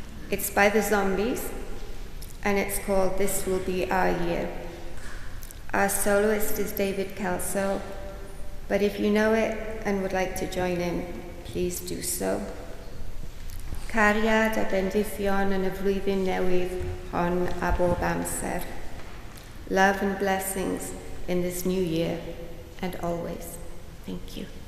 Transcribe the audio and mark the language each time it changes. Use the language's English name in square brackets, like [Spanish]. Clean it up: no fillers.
[English] It's by the Zombies, and it's called "This Will Be Our Year." Our soloist is David Kelso, but if you know it and would like to join in, please do so. [Welsh] Cariad a bendithion yn y flwyddyn newydd hon a bob amser. [English] Love and blessings in this new year and always. Thank you.